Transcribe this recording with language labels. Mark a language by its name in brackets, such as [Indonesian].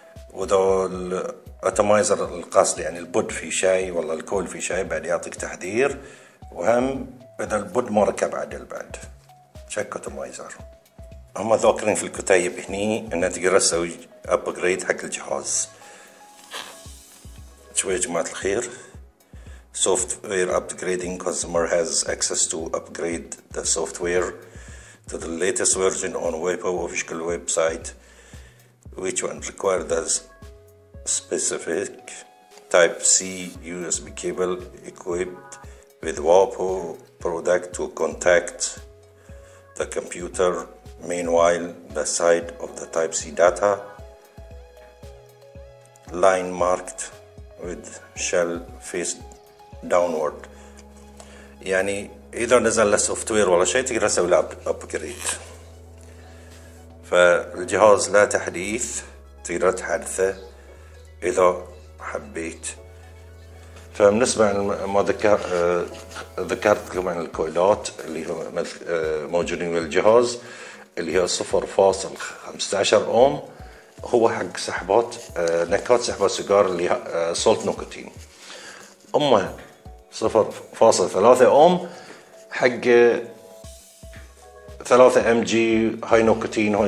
[Arabic] وذا الاتمايزر القاصد يعني البود في شاي ولا الكول في شاي بعد يعطيك تحذير، وهم اذا البود مركب عدل بعد شك اتمايزر. هم ذاكرين في الكتيب هني ان تقدر تسوي ابجريد حق الجهاز. شوي يا جماعة الخير، [English] software upgrading, customer has access to upgrade the software to the latest version on WIPO official website, which one require the specific type C USB cable equipped with WIPO product to contact the computer. Meanwhile, the side of the type C data line marked with shell face downward. [Arabic] يعني اذا نزل السوفت وير ولا شيء تقدر تسوي له ابجريد. فالجهاز لا تحديث، تقدر تحدثه اذا حبيت. فبالنسبة ما ذكرت لكم عن الكويلات اللي هو موجودين بالجهاز، اللي هي 0.15 اوم هو حق سحبات نكهات سحبات سيجار اللي سولت نيكوتين، اما 0.3 اوم حق 3 ام جي هاي نيكوتين.